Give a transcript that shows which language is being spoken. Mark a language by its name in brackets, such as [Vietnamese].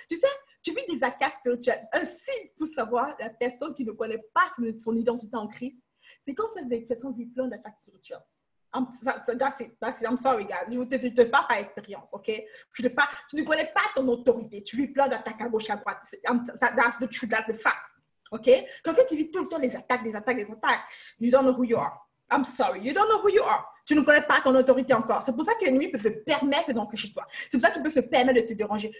[French] Tu sais, tu vis des attaques spirituelles. Un signe pour savoir la personne qui ne connaît pas son identité en Christ, c'est quand c'est des personnes qui vivent plein d'attaques spirituelles. [English] I'm sorry, guys. [French] Je ne te parle pas d'expérience, OK? Tu ne connais pas ton autorité. Tu vis plein d'attaques à gauche, à droite. [English] That's the truth. That's the fact. [French] OK? Quelqu'un qui vit tout le temps des attaques. [English] You don't know who you are. I'm sorry. You don't know who you are. [French] Tu ne connais pas ton autorité encore. C'est pour ça que l'ennemi peut se permettre d'entrer chez toi. C'est pour ça qu'il peut se permettre de te déranger.